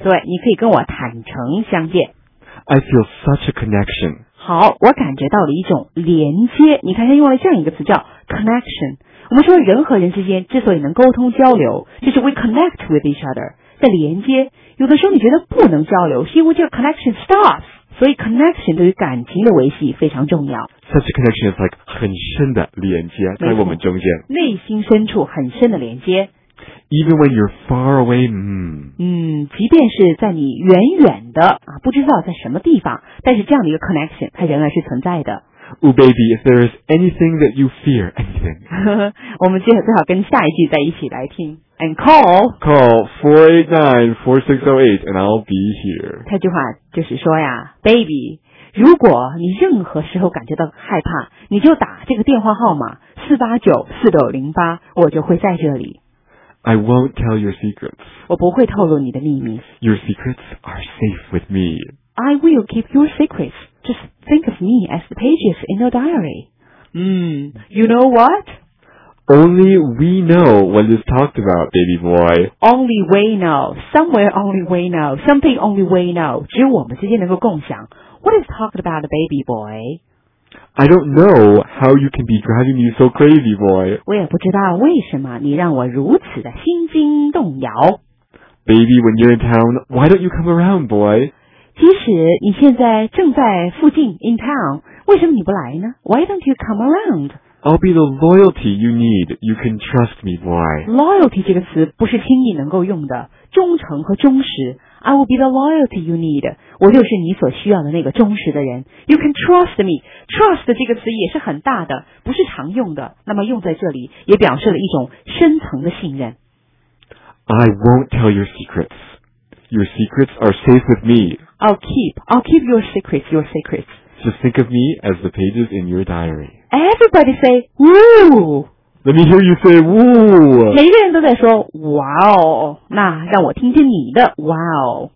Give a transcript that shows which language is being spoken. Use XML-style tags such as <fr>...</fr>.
<zh>对，你可以跟我坦诚相见。</zh> <en>I feel such a connection.</en> <zh>好，我感觉到了一种连接。你看他用了这样一个词叫 connection。我们说人和人之间之所以能沟通交流，就是</zh> <en>we connect with each other,</en> <zh>在连接。有的时候你觉得不能交流，是因为这个</zh> <en>connection stops,</en> <zh>所以 connection 对于感情的维系非常重要。</zh> <en>Such a connection is like</en> <zh>很深的连接在我们中间。内心深处很深的连接。</zh> <en>Even when you're far away,</en> <zh>即便是在你远远的啊，不知道在什么地方，但是这样的一个 connection, 它仍然是存在的。</zh> <en>Ooh, baby, if there is anything that you fear, anything.</en> <zh>我们接着最好跟下一句在一起来听。</zh> <en>And call. Call 489-4608 and I'll be here.</en> <zh>这句话就是说呀 ,baby, 如果你任何时候感觉到害怕，你就打这个电话号码 489-4608, 我就会在这里。</zh> <en>I won't tell your secrets.</en> <zh>我不会透露你的秘密。</zh> <en>Your secrets are safe with me. I will keep your secrets. Just think of me as the pages in your diary. You know what? Only we know what is talked about, baby boy. Only we know. Somewhere only we know. Something only we know.</en> <zh>只有我们之间能够共享。</zh> <en>What is talked about, baby boy? I don't know how you can be driving me so crazy, boy.</en> <zh>我也不知道为什么你让我如此的心惊动摇。</zh> <en>Baby, when you're in town, why don't you come around, boy?</en> <zh>即使你现在正在附近 in town, 为什么你不来呢？</zh> <en>Why don't you come around? I'll be the loyalty you need. You can trust me, boy.</en> <zh>Loyalty 这个词不是轻易能够用的，忠诚和忠实。</zh> <en>I will be the loyalty you need.</en> <zh>我就是你所需要的那个忠实的人。</zh> <en>You can trust me.</en> <zh>Trust 这个词也是很大的，不是常用的，那么用在这里也表示了一种深层的信任。</zh> <en>I won't tell your secrets. Your secrets are safe with me I'll keep your secrets, your secrets. Just think of me as the pages in your diary. Everybody say, woo! Let me hear you say, woo!</en> <zh>每个人都在说 wow, 那让我听听你的 wow.</zh>